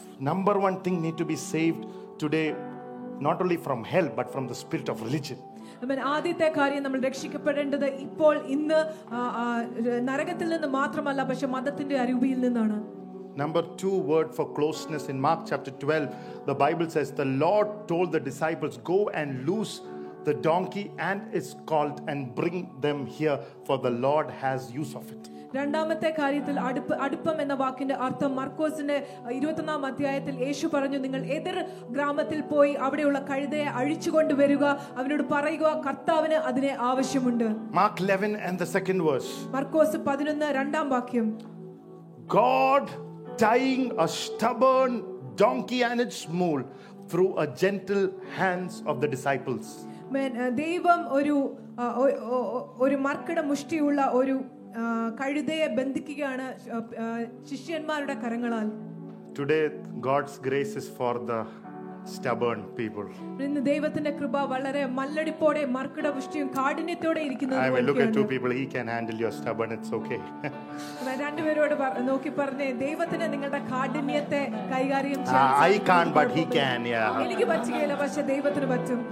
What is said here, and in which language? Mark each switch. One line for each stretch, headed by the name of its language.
English: Number one thing need to be saved today, not only from hell, but from the spirit of religion.
Malayalam: ആദ്യത്തെ കാര്യം നമ്മൾ രക്ഷിക്കപ്പെടേണ്ടത് ഇപ്പോൾ ഇന്ന് നരകത്തിൽ നിന്ന് മാത്രമല്ല പക്ഷെ മതത്തിന്റെ അരൂപിയിൽ നിന്നാണ്.
English: Number 2 word for closeness in Mark chapter 12 the Bible says the Lord told the disciples go and loose the donkey and its colt and bring them here for the Lord has use of it.
Malayalam: രണ്ടാമത്തെ കാര്യത്തിൽ അടുപ്പം എന്ന വാക്കിന്റെ അർത്ഥം മർക്കോസിന്റെ 21-ാം അധ്യായത്തിൽ യേശു പറഞ്ഞു നിങ്ങൾ എതിർ ഗ്രാമത്തിൽ പോയി അവിടെയുള്ള കഴുതയെ അഴിച്ചുകൊണ്ട് വരിക അവനോട് പറയുക കർത്താവിന് അതിനെ ആവശ്യമുണ്ട്.
English: Mark 11 and the second verse.
Malayalam: Markose 11:2.
English: God tying a stubborn donkey and its mule through a gentle hands of the disciples.
Malayalam: ദൈവം ഒരു ഒരു മർക്കട മുഷ്ടിയുള്ള ഒരു കഴുതയെ ബന്ധിക്കുകയാണ് ശിഷ്യന്മാരുടെ കരങ്ങളാൽ.
English: Today God's grace is for the stubborn people.
Malayalam: ഇന്ന് ദൈവത്തിന്റെ കൃപ വളരെ മല്ലടിപ്പോടെ മർക്കടപുഷ്ടിയും കാഠിന്യത്തോടെ ഇരിക്കുന്ന.
English: I will look at two people. He can handle your stubborn. It's okay.
Malayalam: രണ്ടുപേരോട് നോക്കി പറഞ്ഞു ദൈവത്തിന് നിങ്ങളുടെ കാഠിന്യത്തെ കൈകാര്യം ചെയ്യാം.
English: I can't but he can. Yeah.
Malayalam: എനിക്ക് പറ്റില്ല പക്ഷെ ദൈവത്തിന് പറ്റും.